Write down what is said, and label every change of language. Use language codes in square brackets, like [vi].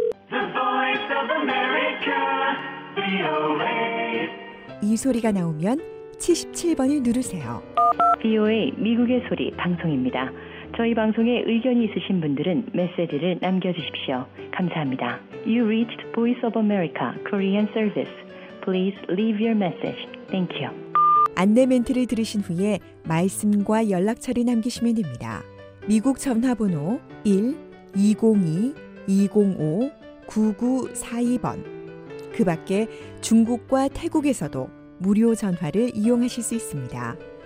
[en] The Voice of America, VOA. [ko] 이 소리가 나오면 77번을 누르세요. VOA 미국의 소리 방송입니다. 저희 방송에 의견이 있으신 분들은 메시지를 남겨주십시오. 감사합니다. [en] You reached Voice of America, Korean Service. Please leave your message. Thank you. [ko] 안내 멘트를 들으신 후에 말씀과 연락처를 남기시면 됩니다. 미국 전화번호 1-202-205-9942번 그 밖에 중국과 태국에서도 무료 전화를 이용하실 수 있습니다.